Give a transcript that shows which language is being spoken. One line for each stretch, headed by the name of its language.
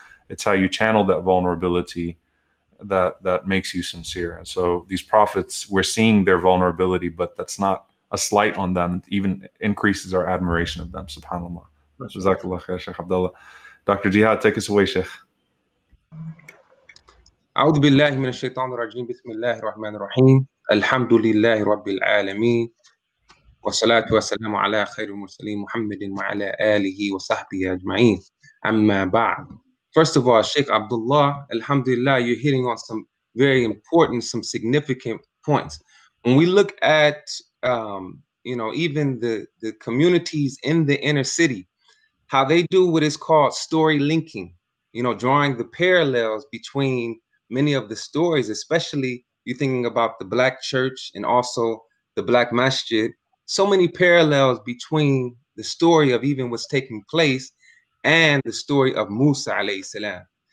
English: It's how you channel that vulnerability that makes you sincere. And so these prophets, we're seeing their vulnerability, but that's not a slight on them. It even increases our admiration of them, subhanAllah. JazakAllah khair, Sheikh Abdullah. Dr. Jihad, take us away, Sheikh.
Arabic: أعوذ بالله من الشيطان الرجيم بسم الله الرحمن الرحيم الحمد لله رب العالمين والصلاة والسلام على خير المرسلين محمد وعلى آله وصحبه أجمعين أما بعد.
English: First of all, Sheikh Abdullah, alhamdulillah, you're hitting on some very important, some significant points. When we look at even the communities in the inner city, how they do what is called story linking, drawing the parallels between many of the stories, especially you thinking about the Black church and also the Black masjid, so many parallels between the story of even what's taking place and the story of Musa alayhi salam.